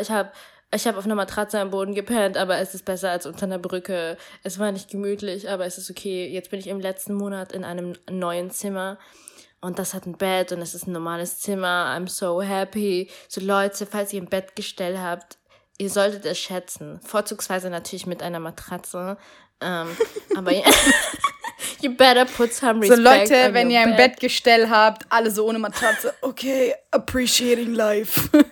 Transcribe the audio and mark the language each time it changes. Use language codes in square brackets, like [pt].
[de] Ich habe auf einer Matratze am Boden gepennt, aber es ist besser als unter einer Brücke. Es war nicht gemütlich, aber es ist okay. Jetzt bin ich im letzten Monat in einem neuen Zimmer und das hat ein Bett und es ist ein normales Zimmer. [en] I'm so happy. [de] So Leute, falls ihr ein Bettgestell habt, ihr solltet es schätzen. Vorzugsweise natürlich mit einer Matratze. [en] aber you better put some respect on your [de] bed. So Leute, wenn ihr ein Bettgestell habt, alle so ohne Matratze, okay, [en] appreciating life.